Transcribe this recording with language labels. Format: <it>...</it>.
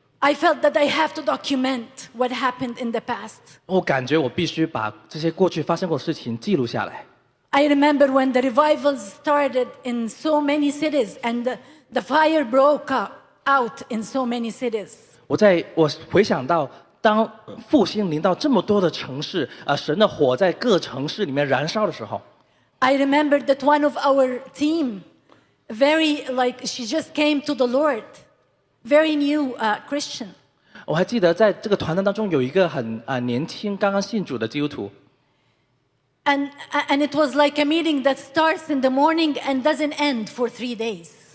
<en>I felt that I have to document what happened in the past.</en> <zh>我感觉我必须把这些过去发生过的事情记录下来。</zh> <en>I remember when the revival started in so many cities and the fire broke out in so many cities.</en> <zh>我回想到当复兴临到这么多的城市， 神的火在各城市里面燃烧的时候。</zh> <en>I remember that one of our team, she just came to the Lord. Very new Christian.</en> <zh>我还记得在这个团当中有一个很年轻刚刚信主的基督徒。</zh> <en>And it was like a meeting that starts in the morning and doesn't end for 3 days.</en>